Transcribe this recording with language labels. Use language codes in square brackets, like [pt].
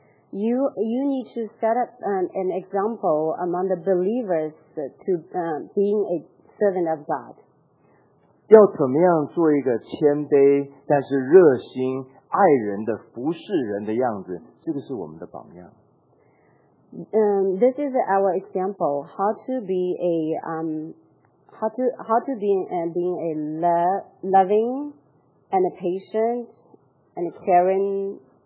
[en] You need to set up an example among the believers to being a servant of God. [zh] 要怎么样做一个谦卑但是热心。爱人的服侍人的样子, 这个是我们的榜样。 [en] This is our example, how to be a how to be being a loving and a patient and a caring